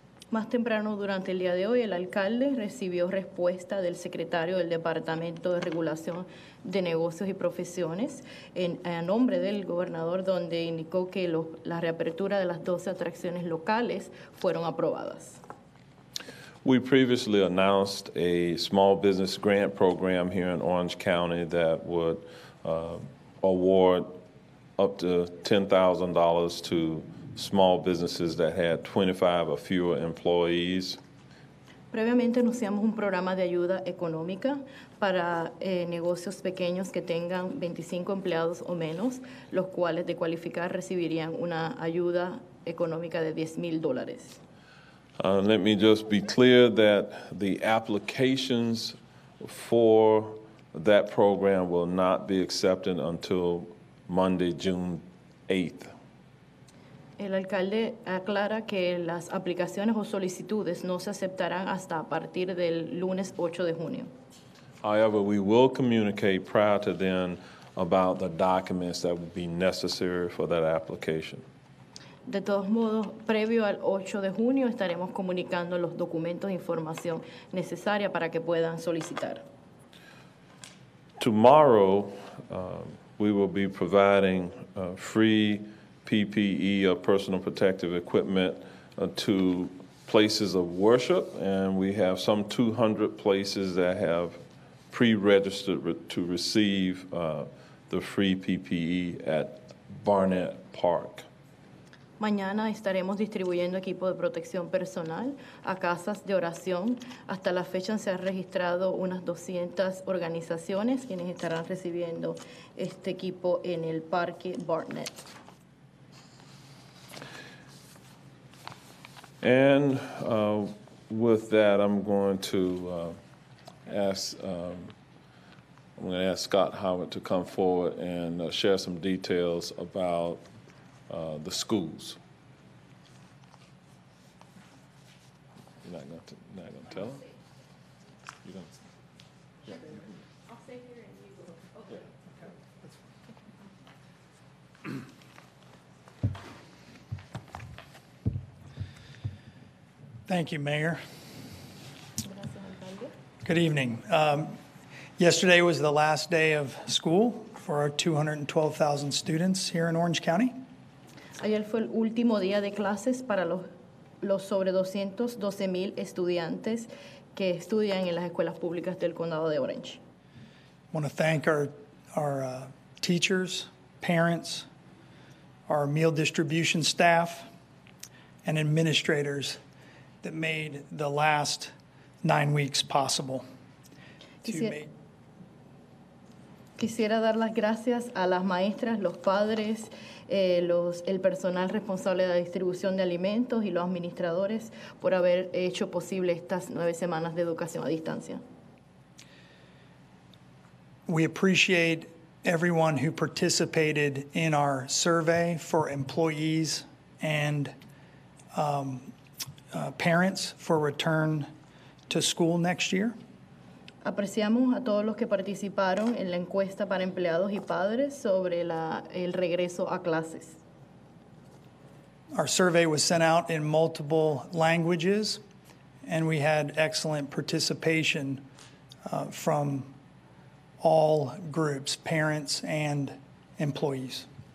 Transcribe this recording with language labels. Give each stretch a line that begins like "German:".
Spanish: Más temprano durante el día de hoy, el alcalde recibió respuesta del secretario del Departamento de Regulación de Negocios y Profesiones a nombre del gobernador, donde indicó que la reapertura de las 12 atracciones locales fueron aprobadas.
English: We previously announced a small business grant program here in Orange County that would award up to $10,000 to small businesses that had 25 or fewer employees.
Spanish: Previamente anunciamos un programa de ayuda económica para negocios pequeños que tengan 25 empleados o menos, los cuales de cualificar recibirían una ayuda económica de $10,000.
English: Let me just be clear that the applications for that program will not be accepted until Monday, June 8th.
Spanish: El alcalde aclara que las aplicaciones o solicitudes no se aceptarán hasta a partir del lunes 8 de junio.
English: However, we will communicate prior to then about the documents that would be necessary for that application.
Spanish: De todos modos, previo al 8 de junio estaremos comunicando los documentos e información necesaria para que puedan solicitar.
English: Tomorrow, we will be providing free PPE, or personal protective equipment, to places of worship, and we have some 200 places that have pre-registered to receive the free PPE at Barnett Park.
Spanish: Mañana estaremos distribuyendo equipo de protección personal a casas de oración. Hasta la fecha se han registrado unas 200 organizaciones quienes estarán recibiendo este equipo en el parque Barnett.
English: And with that, I'm going to ask Scott Howard to come forward and share some details about the schools. You're not going to tell him? I'll stay here and you go. Thank you, Mayor. Good evening. Yesterday was the last day of school for our 212,000 students here in Orange County.
Spanish: Ayer fue el último día de clases para los sobre 212,000 estudiantes que estudian en las escuelas públicas del condado de Orange.
English: I want to thank our teachers, parents, our meal distribution staff, and administrators that made the last 9 weeks possible.
Spanish: Quisiera dar las gracias a las maestras, los padres, el personal responsable de la distribución de alimentos y los administradores por haber hecho posible estas 9 semanas de educación a distancia.
English: We appreciate everyone who participated in our survey for employees and parents for return to school next year.
Spanish: Apreciamos a todos los que participaron en la encuesta para empleados y padres sobre el regreso a clases.
English: Our survey was sent out in multiple languages, and we had excellent participation from all groups, parents and employees.